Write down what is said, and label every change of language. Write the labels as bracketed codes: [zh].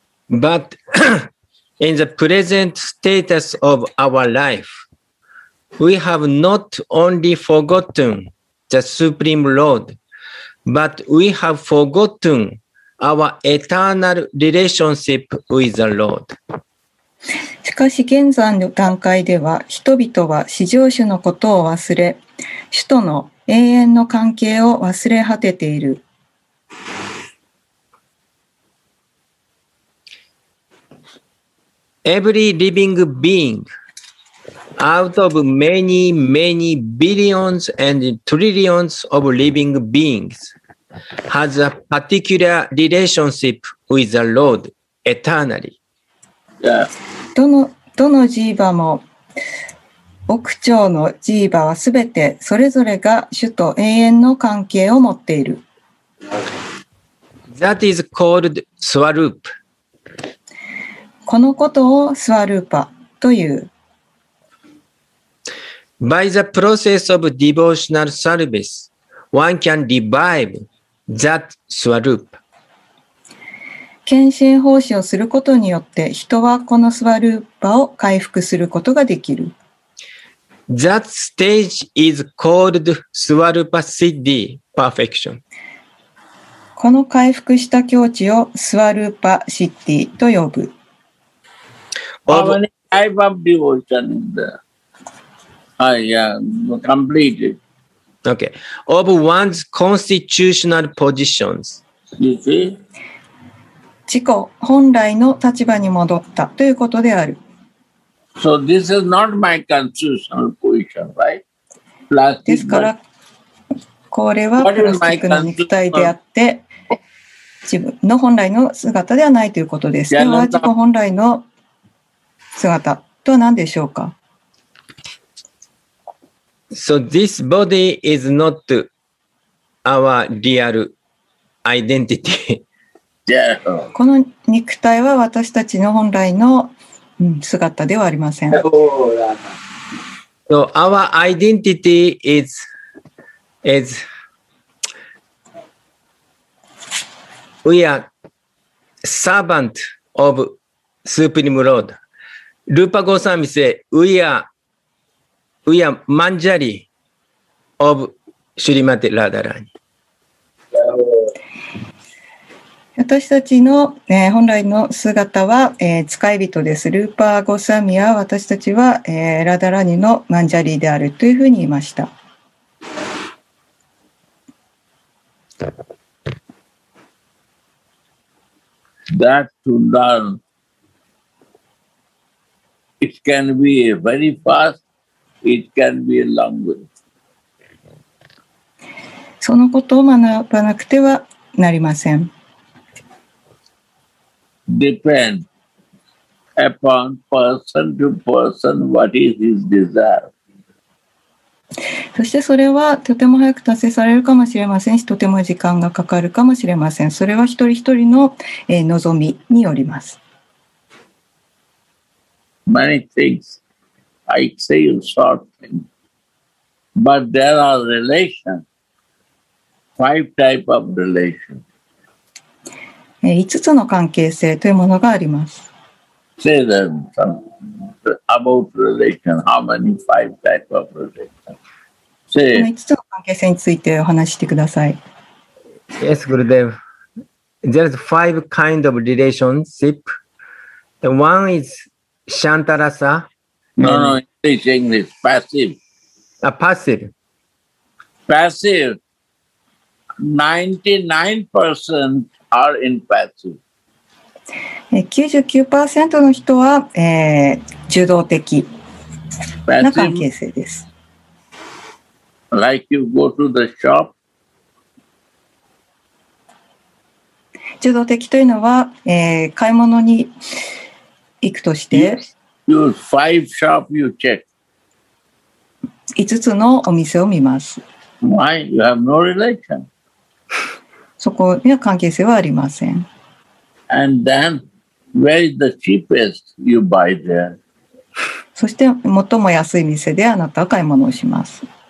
[en] But in the present status of our life, we have not only forgotten the Supreme Lord, but we have forgotten our eternal relationship with the Lord. [ja] しかし現在の段階では人々は至上主のことを忘れ主との永遠の関係を忘れ果てている。 [en] Every living being out of many, many billions and trillions of living beings has a particular relationship with the Lord eternally. [ja] どのジーバも億兆のジーバはすべてそれぞれが主と永遠の関係を持っている。 [en] That is called Swarup. [ja] このことをスワルーパという。 [en] By the process of devotional service, one can revive that Swarup. [ja] 献身奉仕をすることによって人はこのスワルーパを回復することができる。 [en] That stage is called Swarupa Siddhi Perfection. [ja] この回復した境地をスワルーパシッディと呼ぶ。 [en] How many type of devotion is there? I am completed. Okay. Of one's constitutional positions. You see? [ja] 自己本来の立場に戻ったということである。 [en] So this is not my constitutional position, right? [ja] ですから、これはプラスチックの肉体であって、自分の本来の姿ではないということです。では、自己本来の姿とは何でしょうか? [en] So this body is not our real identity. Yeah. [ja] この肉体は私たちの本来の姿ではありません。 Oh, [en] So our identity is we are servant of Supreme Lord. Rupa Goswami say we are Manjari of Srimati Radharani. [ja] 私たちの、本来の姿は、使い人です。ルーパーゴサミは私たちは、ラダラニのマンジャリーであるというふうに言いました。 [en] That to learn, it can be very fast, it can be a long way. [ja] そのことを学ばなくてはなりません。 [en] Depend upon person to person what is his desire. [ja] そしてそれはとても早く達成されるかもしれませんし、とても時間がかかるかもしれません。それは一人一人の、望みによります。 [en] Many things I say in short thing, but there are relations, five type of relations. [ja] 5つの関係性というものがあります。 [en] Say them about relation, how many five types of relation? [ja] この5つの関係性についてお話してください。 [en] Yes, Gurudev. There are five kinds of relationship. The one is Shantarasa. No, English, English, passive. A passive. Passive. 99% are in passive. [ja] 99% の人は、受動的な関係性です。 [en] Like、you go to the shop. [ja] 受動的というのは、買い物に行くとして、 [en] five shop you check. [ja] 5つのお店を見ます。 [en] Why? You have no relation. [ja] そこには関係性はありません。 [en] And then, where is the cheapest you buy there? [ja] そして、最も安い店であなたは買い物をします。